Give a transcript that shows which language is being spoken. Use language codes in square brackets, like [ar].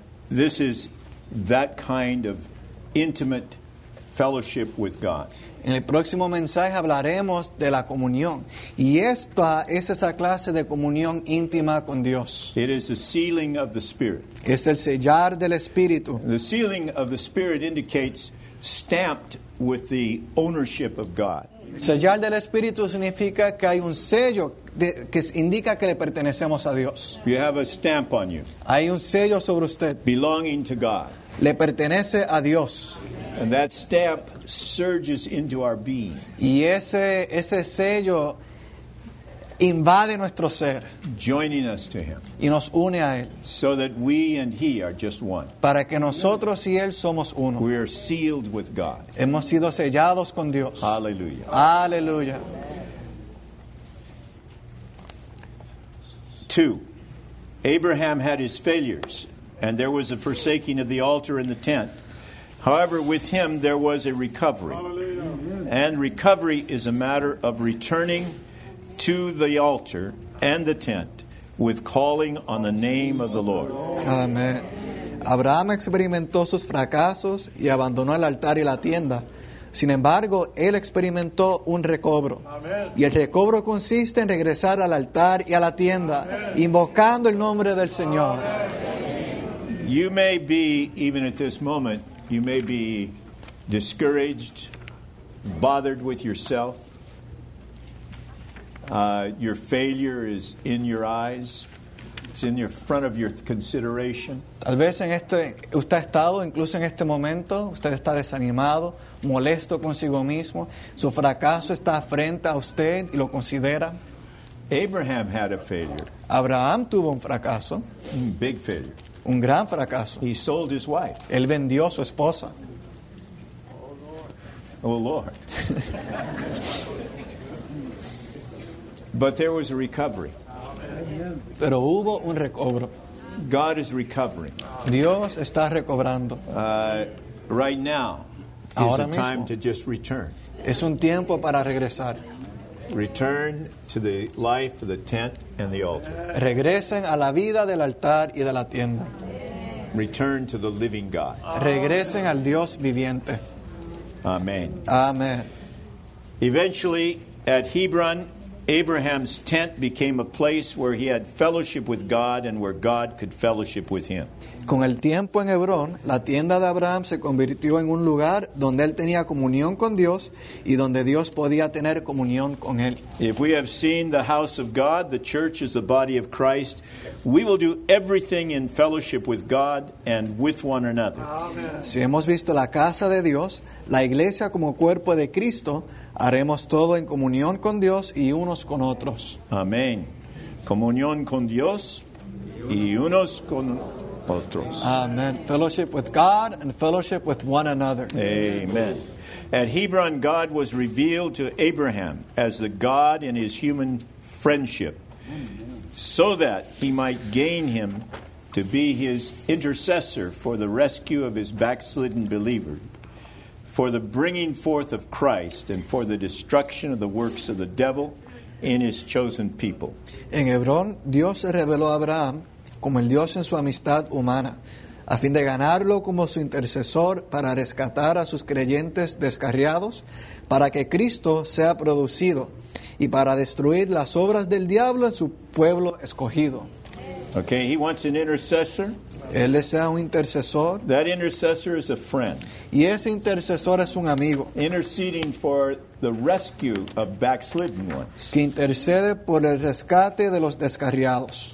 [en] This is that kind of intimate fellowship with God. [es] En el próximo mensaje hablaremos de la comunión. Y esta es esa clase de comunión íntima con Dios. [en] It is the sealing of the Spirit. [es] Es el sellar del Espíritu. [en] The sealing of the Spirit indicates stamped with the ownership of God. [es] El sellar del Espíritu significa que hay un sello que indica que le pertenecemos a Dios. [en] You have a stamp on you. [es] Hay un sello sobre usted. [en] Belonging to God. [es] Le pertenece a Dios. [en] And that stamp surges into our being. [es] Y ese sello invade nuestro ser. [en] Joining us to him. [es] Y nos une a él. [en] So that we and he are just one. [es] Para que nosotros y él somos uno. [en] We are sealed with God. [es] Hemos sido sellados con Dios. Hallelujah. Hallelujah. [en] Two. Abraham had his failures, and there was a forsaking of the altar in the tent. However, with him there was a recovery. And recovery is a matter of returning to the altar and the tent with calling on the name of the Lord. Amen. [es] Abraham experimentó sus fracasos y abandonó el altar y la tienda. Sin embargo, él experimentó un recobro. Amen. Y el recobro consiste en regresar al altar y a la tienda, amen, invocando el nombre del Señor. Amen. [en] You may be, even at this moment, you may be discouraged, bothered with yourself. Your failure is in your eyes. It's in your front of your consideration. [es] Tal vez en este usted ha estado, incluso en este momento, usted está desanimado, molesto consigo mismo. Su fracaso está frente a usted y lo considera. [en] Abraham had a failure. [es] Abraham tuvo un fracaso. [en] Big failure. [es] Un gran fracaso. [en] He sold his wife. [es] Él vendió su esposa. [en] Oh, Lord. Oh, Lord. But there was a recovery. [es] Pero hubo un recobro. [en] God is recovering. [es] Dios está recobrando. [en] Right now [es] Ahora [en] is a time to just return. [es] Es un tiempo para regresar. [en] Return to the life of the tent and the altar. [es] Regresen a la vida del altar y de la tienda. [en] Return to the living God. [es] Regresen al Dios viviente. Amen. Amen. [en] Eventually, at Hebron, Abraham's tent became a place where he had fellowship with God and where God could fellowship with him. [es] Con el tiempo en Hebrón, la tienda de Abraham se convirtió en un lugar donde él tenía comunión con Dios y donde Dios podía tener comunión con él. [en] If we have seen the house of God, the church is the body of Christ, we will do everything in fellowship with God and with one another. Amen. [es] Si hemos visto la casa de Dios, la iglesia como cuerpo de Cristo, haremos todo en comunión con Dios y unos con otros. Amén. Comunión con Dios y unos con otros. Amen. [en] Fellowship with God and fellowship with one another. Amen. At Hebron, God was revealed to Abraham as the God in his human friendship, so that he might gain him to be his intercessor for the rescue of his backslidden believer, for the bringing forth of Christ, and for the destruction of the works of the devil in his chosen people. [es] En Hebrón, Dios se reveló a Abraham como el Dios en su amistad humana, a fin de ganarlo como su intercesor para rescatar a sus creyentes descarriados, para que Cristo sea producido y para destruir las obras del diablo en su pueblo escogido. [en] Okay, he wants an intercessor. [es] Él sea un intercesor. [en] That intercessor is a friend. [es] Y ese intercesor es un amigo. [en] Interceding for the rescue of backslidden ones. [es] Que intercede por el rescate de los descarriados.